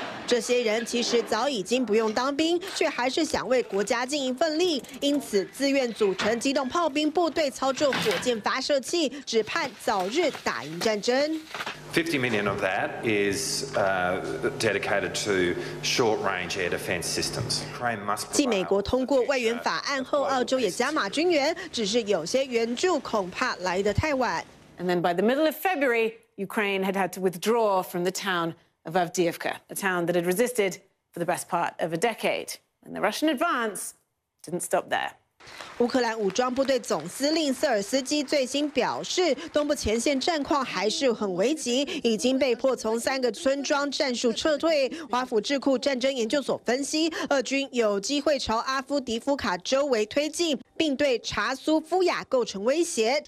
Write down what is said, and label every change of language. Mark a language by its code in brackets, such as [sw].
[zh] 这些人其实早已经不用当兵，却还是想为国家尽一份力，因此自愿组成机动炮兵部队，操作火箭发射器，只盼早日打赢战争。 [en] 50 million of that is dedicated to short-range air defense systems. Ukraine must. [zh] 继美国通过外援法案后，澳洲也加码军援，只是有些援助恐怕来得太晚。 [en] And then by the middle of February, Ukraine had had to withdraw from the town of Avdiivka, a town that had resisted for the best part of a decade. And the Russian advance didn't stop there. [zh] 乌克兰武装部队总司令瑟尔斯基最新表示，东部前线战况还是很危急，已经被迫从三个村庄战术撤退。华府智库战争研究所分析，俄军有机会朝阿夫迪夫卡周围推进，并对查苏夫亚构成威胁。